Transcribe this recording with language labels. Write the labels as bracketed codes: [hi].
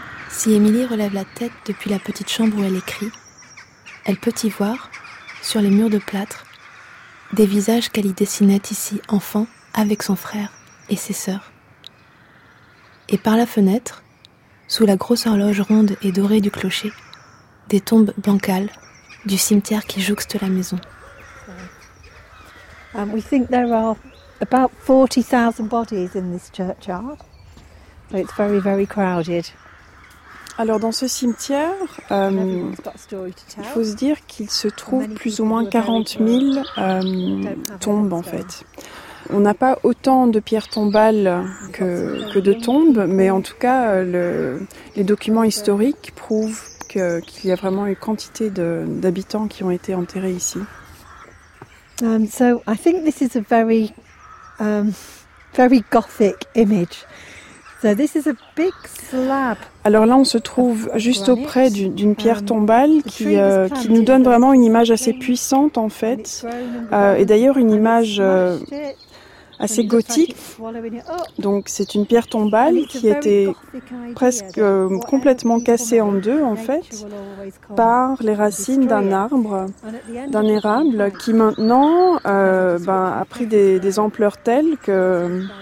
[fr] Si Emily relève la tête depuis la petite chambre où elle écrit, elle peut y voir, sur les murs de plâtre, des visages qu'elle y dessinait ici, enfant, avec son frère et ses sœurs. Et par la fenêtre, sous la grosse horloge ronde et dorée du clocher, des tombes bancales du cimetière qui jouxte la maison. [en] We think there are about 40,000 bodies in this churchyard, so it's very, very crowded. [fr] Alors dans ce cimetière, il faut se dire qu'il se trouve plus ou moins 40 000 tombes en fait. On n'a pas autant de pierres tombales que de tombes, mais en tout cas les documents historiques prouvent qu'il y a vraiment une quantité d'habitants qui ont été enterrés ici. [en] So I think this is a very very gothic image. So this is a big slab. [fr] Alors là, on se trouve juste auprès d'une pierre tombale qui nous donne vraiment une image assez puissante, en fait. Et d'ailleurs, une image assez gothique. Donc, c'est une pierre tombale qui était presque complètement cassée en deux, en fait, par les racines d'un arbre, d'un érable, qui maintenant a pris des ampleurs telles que...